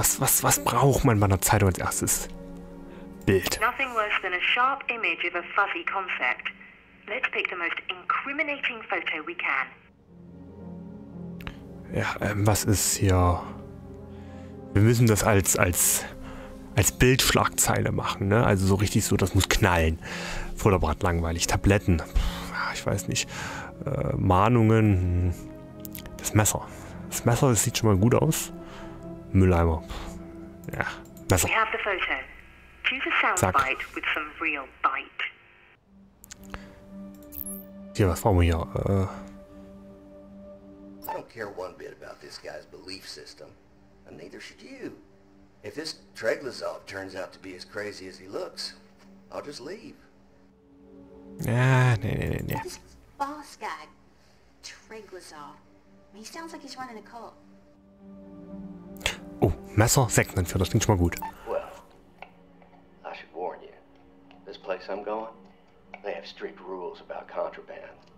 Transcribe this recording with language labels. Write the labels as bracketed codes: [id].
[de] Was braucht man bei einer Zeitung als erstes? Bild. [en] Nothing worse than a sharp image of a fuzzy concept. Let's pick the most incriminating photo we can. [de] Ja, was ist hier? Wir müssen das als Bildschlagzeile machen, ne? Also so richtig so, das muss knallen. Vorderbrat langweilig. Tabletten. Ich weiß nicht. Mahnungen. Das Messer. Das Messer, das sieht schon mal gut aus. Mülleimer. Ja, Messer. [en] We have the photo. Choose a soundbite with some real bite. [de] Hier, was brauchen wir hier? [en] I don't care one bit about this guy's belief system. And neither should you. If this Treglazov turns out to be as crazy as he looks, I'll just leave. [de] Nee. [en] This boss guy, Treglazov, he sounds like he's running a cult. [de] Oh, Messer, Sektenanführer, das klingt schon mal gut. [en] Well, I should warn you. This place I'm going, they have strict rules about contraband.